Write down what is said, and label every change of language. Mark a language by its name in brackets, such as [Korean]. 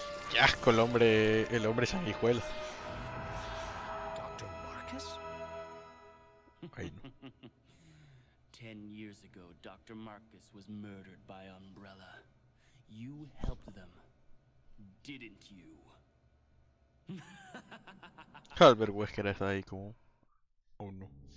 [Spanish] ¡Qué asco el hombre sanguijuelo! ¿Doctor Marcus? Bueno. [English] 10 years ago, Dr. Marcus was murdered by Umbrella. You helped them, didn't you? [Spanish] Albert Wesker está ahí como... Oh no.